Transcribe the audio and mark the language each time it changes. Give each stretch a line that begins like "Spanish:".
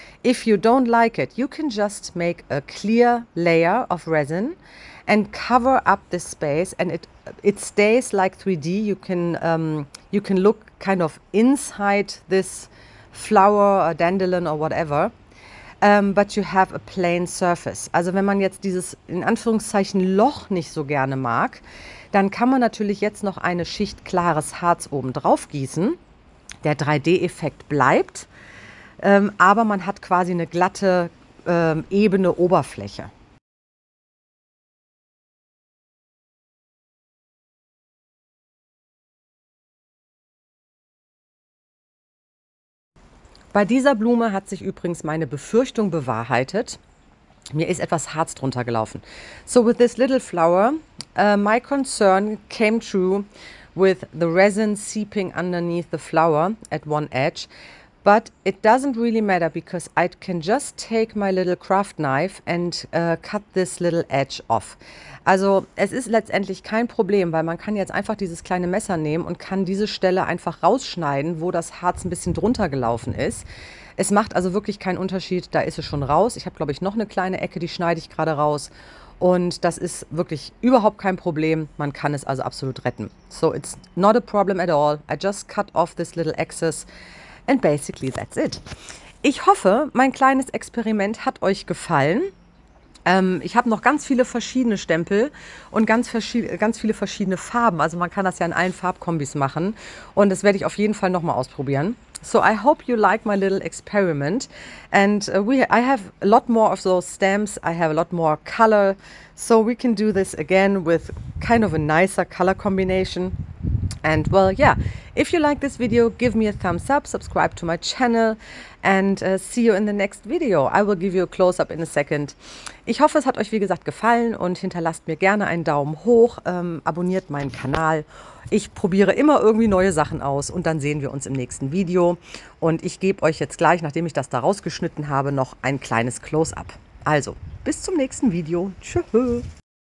English: If you don't like it, you can just make a clear layer of resin and cover up this space and it stays like 3D. You can look kind of inside this flower or dandelion or whatever, but you have a plain surface.
German: Also wenn man jetzt dieses in Anführungszeichen Loch nicht so gerne mag, dann kann man natürlich jetzt noch eine Schicht klares Harz oben drauf gießen. Der 3D-Effekt bleibt, aber man hat quasi eine glatte, ebene Oberfläche. Bei dieser Blume hat sich übrigens meine Befürchtung bewahrheitet. Mir ist etwas Harz drunter gelaufen.
English: So with this little flower, my concern came true with the resin seeping underneath the flower at one edge. But it doesn't really matter because I can just take my little craft knife and cut this little edge off.
German: Also es ist letztendlich kein Problem, weil man kann jetzt einfach dieses kleine Messer nehmen und kann diese Stelle einfach rausschneiden, wo das Harz ein bisschen drunter gelaufen ist. Es macht also wirklich keinen Unterschied, da ist es schon raus. Ich habe, glaube ich, noch eine kleine Ecke, die schneide ich gerade raus. Und das ist wirklich überhaupt kein Problem. Man kann es also absolut retten.
English: So it's not a problem at all. I just cut off this little excess. And basically that's it.
German: Ich hoffe, mein kleines Experiment hat euch gefallen. Ich habe noch ganz viele verschiedene Stempel und ganz viele verschiedene Farben. Also man kann das ja in allen Farbkombis machen. Und das werde ich auf jeden Fall nochmal ausprobieren.
English: So I hope you like my little experiment. And I have a lot more of those stamps. I have a lot more color. So we can do this again with kind of a nicer color combination. And well, yeah, if you like this video, give me a thumbs up, subscribe to my channel and see you in the next video. I will give you a close-up in a second.
German: Ich hoffe, es hat euch, wie gesagt, gefallen und hinterlasst mir gerne einen Daumen hoch, abonniert meinen Kanal. Ich probiere immer irgendwie neue Sachen aus und dann sehen wir uns im nächsten Video. Und ich gebe euch jetzt gleich, nachdem ich das da rausgeschnitten habe, noch ein kleines Close-up. Also, bis zum nächsten Video. Tschüss.